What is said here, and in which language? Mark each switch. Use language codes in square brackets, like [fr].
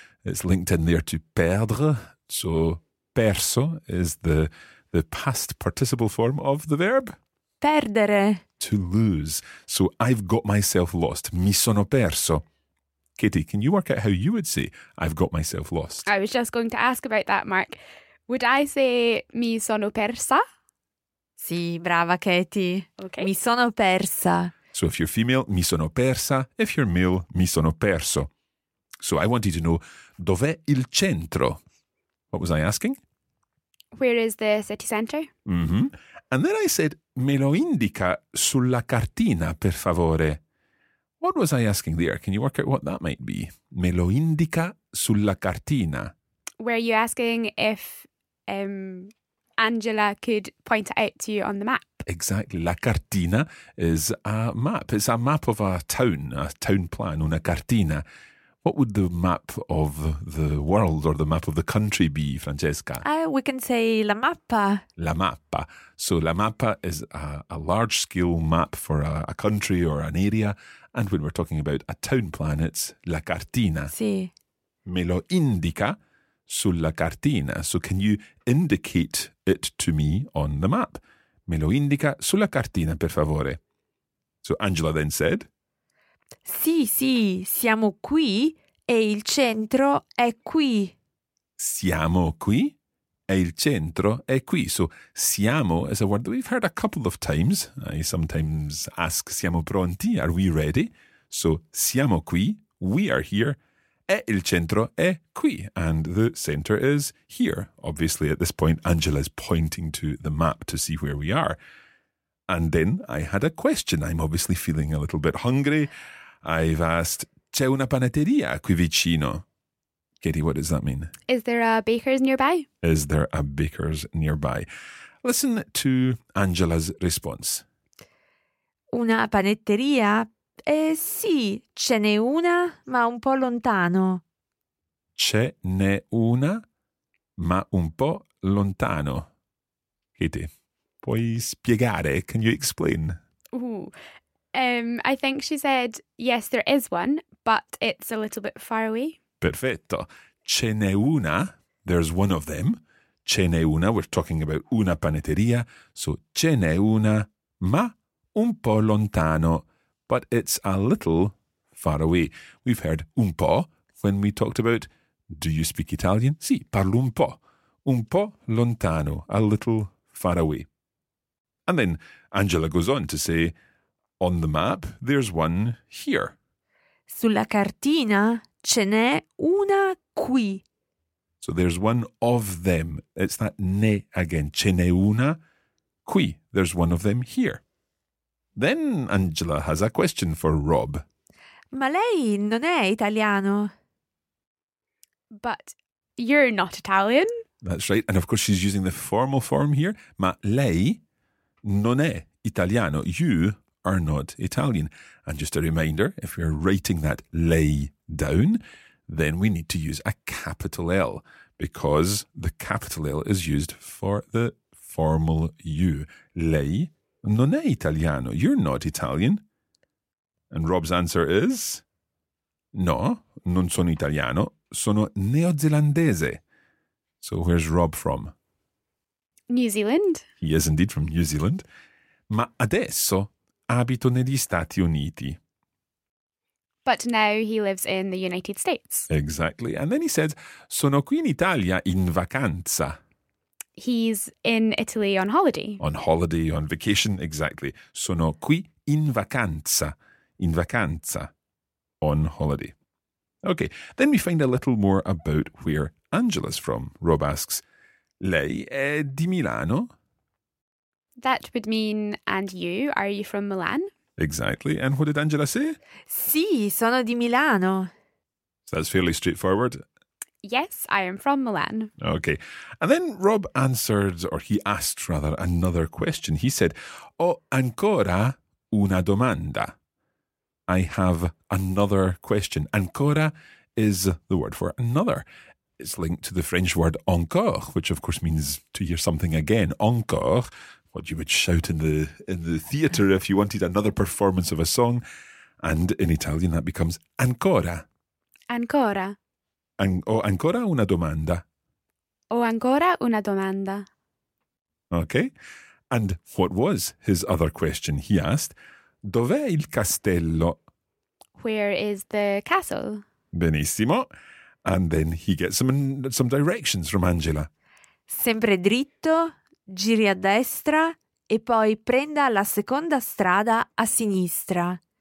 [en] It's linked in there to perdre. So perso is the past participle form of the verb. [it] Perdere. [en] To lose. So I've got myself lost. [it] Mi sono perso. [en] Katie, can you work out how you would say I've got myself lost? I was just going to ask about that, Mark. Would I say [it] mi sono persa? Sì, brava Katie. [en] Okay. [it] Mi sono persa. [en] So if you're female, [it] mi sono persa. [en] If you're male, [it] mi sono perso. [en] So I wanted to know, [it] dov'è il centro? [en] What was I asking? Where is the city centre? Mm-hmm. And then I said, [it] me lo indica sulla cartina, per favore. [en] What was I asking there? Can you work out what that might be? [it] Me lo indica sulla cartina. [en] Were you asking if Angela could point it out to you on the map? Exactly. [it] La cartina [en] is a map. It's a map of a town plan, [it] una cartina. [en] What would the map of the world or the map of the country be, Francesca? We can say [it] la mappa. La mappa. [en] So [it] la mappa [en] is a large-scale map for a country or an area. And when we're talking about a town plan, it's [it] la cartina. Sì. Me lo indica sulla cartina. [en] So can you indicate it to me on the map? [it] Me lo indica sulla cartina, per favore. [en] So Angela then said... [it] Sì, sì, siamo qui e il centro è qui. Siamo qui e il centro è qui. [en] So, siamo is a word that we've heard a couple of times. I sometimes ask, [it] siamo pronti? [en] Are we ready? So, [it] siamo qui, [en] we are here, [it] e il centro è qui. [en] And the center is here. Obviously, at this point, Angela is pointing to the map to see where we are. And then I had a question. I'm obviously feeling a little bit hungry. I've asked, [it] c'è una panetteria qui vicino? [en] Katie, what does that mean? Is there a baker's nearby? Is there a baker's nearby? Listen to Angela's response. [it] Una panetteria? Sì, ce n'è una, ma un po' lontano. Ce n'è una, ma un po' lontano. [en] Katie, [it] puoi spiegare? [en] Can you explain? Ooh. I think she said, yes, there is one, but it's a little bit far away. [it] Perfetto. Ce n'è una. [en] There's one of them. [it] Ce n'è una. [en] We're talking about una panetteria. [it] So, ce n'è una, ma un po' lontano. [en] But it's a little far away. We've heard [it] un po' [en] when we talked about, do you speak Italian? [it] Sì, parlo un po'. Un po' lontano. [en] A little far away. And then Angela goes on to say, on the map, there's one here. [it] Sulla cartina ce n'è una qui. [en] So there's one of them. It's that ne again. [it] Ce n'è una qui. [en] There's one of them here. Then Angela has a question for Rob. [it] Ma lei non è italiano. [en] But you're not Italian. That's right. And of course she's using the formal form here. [it] Ma lei non è italiano. [en] You are not Italian. And just a reminder, if we're writing that lei down, then we need to use a capital L because the capital L is used for the formal you. [it] Lei non è italiano. [en] You're not Italian. And Rob's answer is, no, [it] non sono italiano. Sono neozelandese. [en] So where's Rob from? New Zealand. He is indeed from New Zealand. [it] Ma adesso abito negli Stati Uniti. [en] But now he lives in the United States. Exactly. And then he says, [it] sono qui in Italia in vacanza. [en] He's in Italy on holiday. On holiday, on vacation, exactly. [it] Sono qui in vacanza. In vacanza. [en] On holiday. Okay, then we find a little more about where Angela's from. Rob asks, [it] lei è di Milano? [en] That would mean, and you, are you from Milan? Exactly. And what did Angela say? [it] Sì, sono di Milano. [en] So that's fairly straightforward. Yes, I am from Milan. Okay. And then Rob answered, or he asked rather, another question. He said, [it] ho ancora una domanda. [en] I have another question. [it] Ancora [en] is the word for another. It's linked to the French word encore, which of course means to hear something again. Encore, what you would shout in the theatre if you wanted another performance of a song. And in Italian, that becomes [it] ancora. Ancora. Ancora una domanda. O ancora una domanda. [en] Okay. And what was his other question? He asked, [it] dov'è il castello? [en] Where is the castle? [it] Benissimo. [en] And then he gets some directions from Angela. [it] Sempre dritto, giri a destra e poi prenda la seconda strada a sinistra.